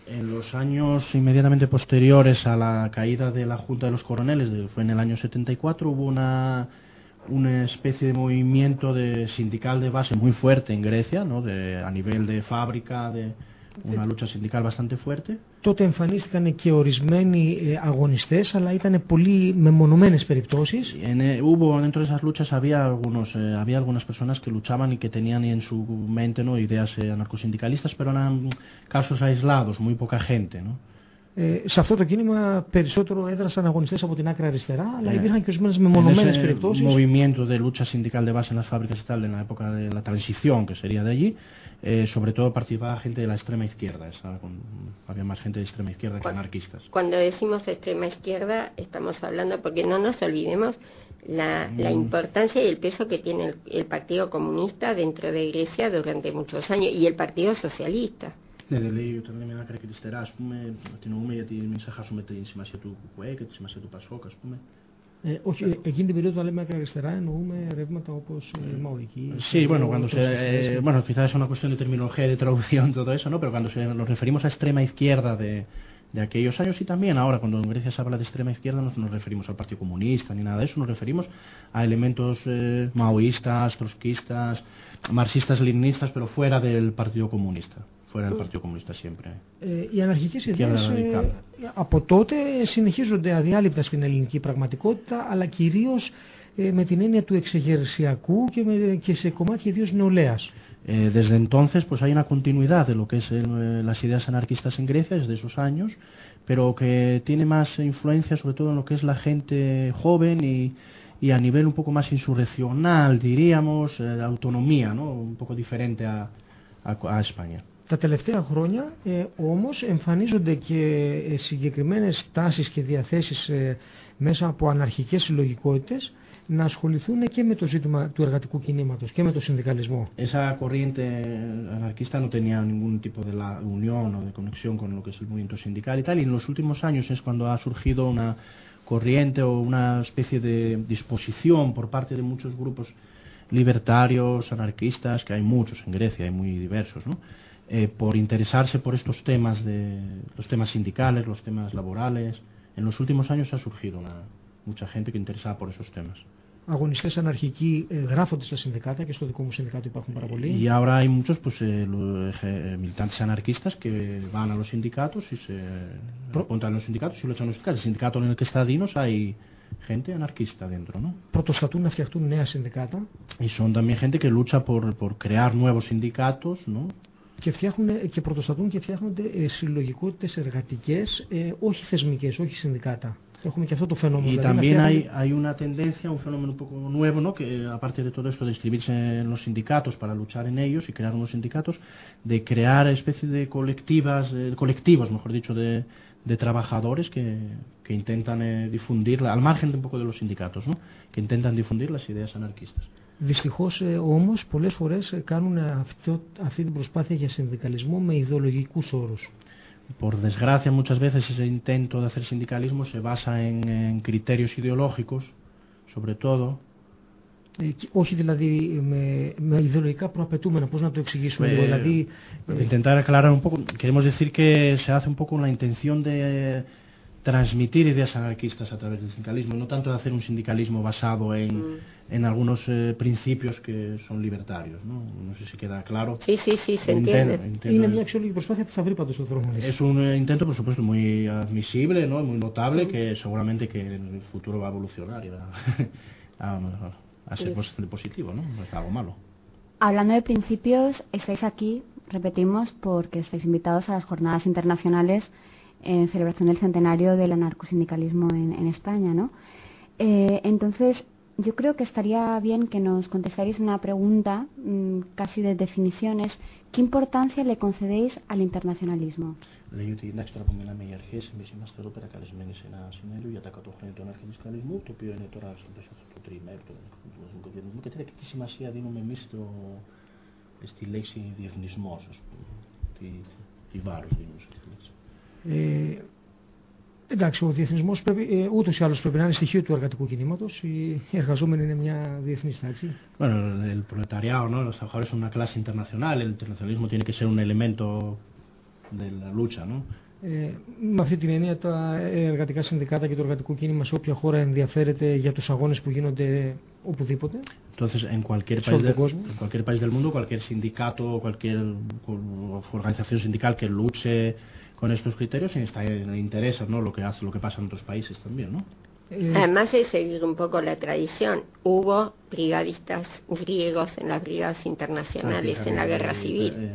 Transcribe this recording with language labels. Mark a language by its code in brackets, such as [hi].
[es] En los años inmediatamente posteriores a la caída de la Junta de los Coroneles, fue en el año 74, hubo una especie de movimiento de sindical de base muy fuerte en Grecia, ¿no? A nivel de fábrica, de una lucha sindical bastante fuerte. [el] Τότε εμφανίστηκαν και ορισμένοι αγωνιστές, αλλά ήταν πολύ μεμονωμένες περιπτώσεις. [es] Hubo dentro de esas luchas había algunas personas que luchaban y que tenían en su mente, ¿no?, ideas anarcosindicalistas, pero eran casos aislados, muy poca gente, ¿no? [el] Σε αυτό το κίνημα περισσότερο έδρασαν αγωνιστές από την άκρα αριστερά, αλλά υπήρχαν και ορισμένες μεμονωμένες περιπτώσεις. [es] En ese movimiento de lucha sindical de base en las fábricas y tal, en la época de la transición, que sería de allí, sobre todo participaba gente de la extrema izquierda, había más gente de extrema izquierda que anarquistas. Cuando decimos extrema izquierda, estamos hablando, porque no nos olvidemos, la importancia y el peso que tiene el Partido Comunista dentro de Grecia durante muchos años, y el Partido Socialista. [el] Ναι, δεν λέει όταν λέμε άκρα και αριστερά, ας πούμε, τι νοούμε, γιατί μην ξεχάσουμε τη σημασία του ΚΚΕ και τη σημασία του ΠΑΣΟΚ, ας πούμε. Όχι, εκείνη την περίοδο όταν λέμε άκρα αριστερά, εννοούμε ρεύματα όπως μαοϊκή. [es] Sí, bueno, cuando se. Bueno, quizás es una cuestión de terminología, de traducción, todo eso, ¿no? Pero cuando nos referimos a extrema izquierda de aquellos años y también ahora, cuando en Grecia se habla de extrema izquierda, no nos referimos al Partido Comunista ni nada de eso, nos referimos a elementos maoístas, trotskistas, marxistas-leninistas, pero fuera del Partido Comunista. Fuera del Partido Comunista siempre. [el] Οι αναρχικές ιδέες από τότε συνεχίζονται αδιάλειπτα στην ελληνική πραγματικότητα, αλλά κυρίως με την έννοια του εξεγερσιακού και σε κομμάτια ιδίως νεολαίας. [es] Desde entonces pues hay una continuidad de lo que es las ideas anarquistas en Grecia desde esos años, pero que tiene más influencia sobre todo en lo que es la gente joven y a nivel un poco más insurreccional, diríamos, autonomía, ¿no? Un poco diferente a España. [el] Τα τελευταία χρόνια όμως εμφανίζονται και συγκεκριμένες τάσεις και διαθέσεις μέσα από αναρχικές συλλογικότητες να ασχοληθούν και με το ζήτημα του εργατικού κινήματος και με το συνδικαλισμό. [es] Esa corriente anarquista no tenía ningún tipo de la unión o de conexión con lo que es el movimiento sindical y tal, y en los últimos años es cuando ha surgido una corriente o una especie de disposición por parte de muchos grupos libertarios, anarquistas, que hay muchos en Grecia, hay muy diversos, ¿no? Por interesarse por estos temas de los temas sindicales, los temas laborales. En los últimos años ha surgido mucha gente que interesaba por esos temas. [el] Αγωνιστές αναρχικοί γράφονται στα συνδικάτα και στο δικό μου συνδικάτο υπάρχουν πάρα πολλοί. [es] Y ahora hay muchos pues militantes anarquistas que van a los sindicatos y se apuntan a los sindicatos y luchan los sindicatos. El sindicato en el que está Dinos hay gente anarquista dentro, ¿no? [el] Πρωτοστατούν να φτιαχτούν νέα συνδικάτα. [es] Y son también gente que lucha por crear nuevos sindicatos, ¿no? [el] Και φτιάχνουν και πρωτοστατούν και φτιάχνονται συλλογικότητες εργατικές, όχι θεσμικές, όχι συνδικάτα. Έχουμε και αυτό το φαινόμενο. [es] Y también hay una tendencia, un fenómeno un poco nuevo, ¿no?, que aparte de todo esto de inscribirse en los sindicatos para luchar en ellos y crear unos sindicatos, de crear especie de colectivas, colectivos, mejor dicho, de trabajadores que intentan difundir, al margen de un poco de los sindicatos, ¿no?, que intentan difundir las ideas anarquistas. [el] Δυστυχώς όμως πολλές φορές κάνουν αυτή την προσπάθεια για συνδικαλισμό με ιδεολογικούς όρους. [es] Por desgracia muchas veces ese intento de hacer sindicalismo se basa en criterios ideológicos, sobre todo. [el] Όχι δηλαδή με ιδεολογικά προαπαιτούμενα, πώς να το εξηγήσουμε, δηλαδή. [es] Intentar aclarar un poco, queremos decir que se hace un poco la intención de transmitir ideas anarquistas a través del sindicalismo, no tanto de hacer un sindicalismo basado en algunos principios que son libertarios, ¿no? No sé si queda claro. Sí, sí, sí, se entiende. Es un intento, por supuesto, muy admisible, ¿no? Muy notable, que seguramente que en el futuro va a evolucionar y va a ser bastante positivo, ¿no? No es algo malo. Hablando de principios, estáis aquí, repetimos, porque estáis invitados a las jornadas internacionales en celebración del centenario del anarcosindicalismo en España, ¿no? Entonces, yo creo que estaría bien que nos contestarais una pregunta casi de definiciones. ¿Qué importancia le concedéis al internacionalismo? [el] Λέει ότι εντάξει, τώρα που μιλάμε για αρχές, εμείς είμαστε εδώ πέρα καλεσμένοι σε ένα συνέδριο για τα 100 χρόνια του ανάρχοντισκαλισμού, το οποίο είναι τώρα στο πέσο αυτό το τριημέρι του ανάρχοντισκαλισμού, και τώρα και τι σημασία δίνουμε εμείς στη λέξη διεθνισμός, ας πούμε, τι βάρος δίνουμε σε αυτή τη λέξη. Εντάξει, ο διεθνισμός ούτως ή άλλως πρέπει να είναι στοιχείο του εργατικού κινήματος. Οι εργαζόμενοι είναι μια διεθνής τάξη. [es] Bueno, el proletariado, ¿no? [el] Θα χωρίσουν μια κλάση internacional. [es] El internacionalismo tiene que ser un elemento de la lucha, ¿no? [el] Με αυτή την έννοια, τα εργατικά συνδικάτα και το εργατικό κίνημα σε όποια χώρα ενδιαφέρεται για τους αγώνες που γίνονται οπουδήποτε. [es] Entonces, en cualquier país del mundo, en cualquier país del mundo, cualquier sindicato, cualquier organización sindical que luche con estos criterios, está interesa, ¿no? Lo que pasa en otros países también, ¿no? Además de seguir un poco la tradición, hubo brigadistas griegos en las brigadas internacionales en la guerra civil.